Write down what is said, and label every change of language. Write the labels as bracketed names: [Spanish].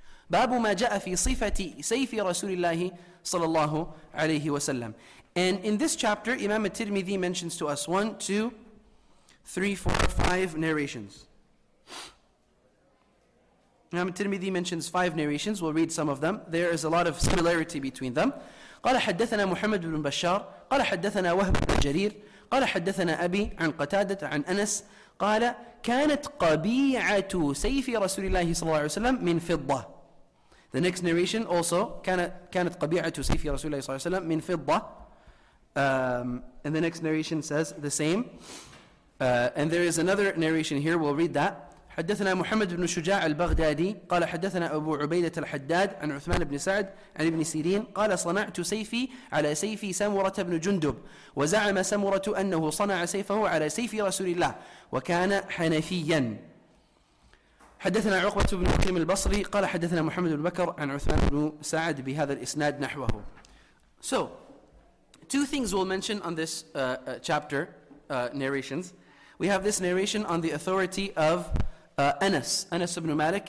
[Arabic] بَابُ مَا جَاءَ فِي صِفَةِ سَيْفِ رَسُولِ اللَّهِ صَلَى اللَّهُ عَلَيْهِ وَسَلَّمُ. [English] And in this chapter, Imam al-Tirmidhi mentions to us 1, 2, 3, 4, 5 narrations. Imam al-Tirmidhi mentions 5 narrations. We'll read some of them. There is a lot of similarity between them. [Arabic] قَالَ حَدَّثَنَا مُحَمَّدُ بْنُ بَشَّارٍ قَالَ حَدَّثَنَا وَهْبُ بْنُ جَرِيرٍ قَالَ حَدَّثَنَا أَبِي عَنْ قَتَادَةَ عَنْ أَنَسٍ قال كانت قبيعة سيف رسول الله صلى الله عليه وسلم من فضة. [English] The next narration also [Arabic] كانت قبيعة سيف رسول الله صلى الله عليه وسلم من فضة. [English] And the next narration says the same. And there is another narration here. We'll read that. [Arabic] حدثنا محمد بن شجاع البغدادي قال حدثنا أبو عبيدة الحداد عن عثمان بن سعد عن ابن سيرين قال صنعت سيفي على سيفي سمرة بن جندب وزعم سمرة أنه صنع سيفه على سيف رسول الله وكان حنفيا. حدثنا عقبة بن حكيم البصري قال حدثنا محمد بن بكر عن عثمان بن سعد بهذا الإسناد نحوه. [English] So two things we'll mention on this chapter narrations. We have this narration on the authority of Anas ibn Malik.